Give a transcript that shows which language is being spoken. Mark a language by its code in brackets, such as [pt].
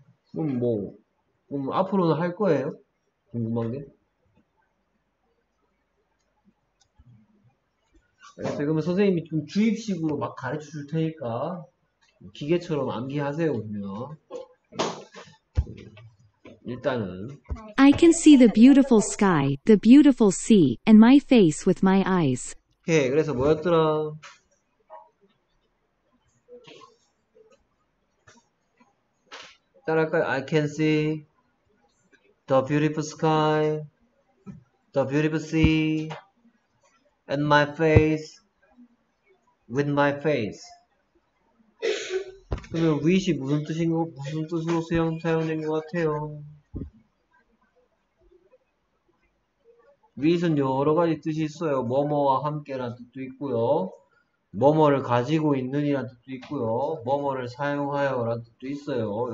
[ko] 그럼 앞으로는 할 거예요? 궁금한 게? 알겠어요. 그러면 선생님이 좀 주입식으로 막 가르쳐 줄 테니까 기계처럼 암기하세요, 그러면. 일단은. [en] I can see the beautiful sky, the beautiful sea, and my face with my eyes. [ko] 오케이, 그래서 뭐였더라? 따라할까요? [en] I can see the beautiful sky, the beautiful sea, and my face with my face. [ko] 그러면 wish이 무슨 뜻으로 사용된 것 같아요? wish은 여러 가지 뜻이 있어요. 뭐뭐와 함께라는 뜻도 있고요. 뭐뭐를 가지고 있는이라는 뜻도 있고요. 뭐뭐를 사용하여라는 뜻도 있어요.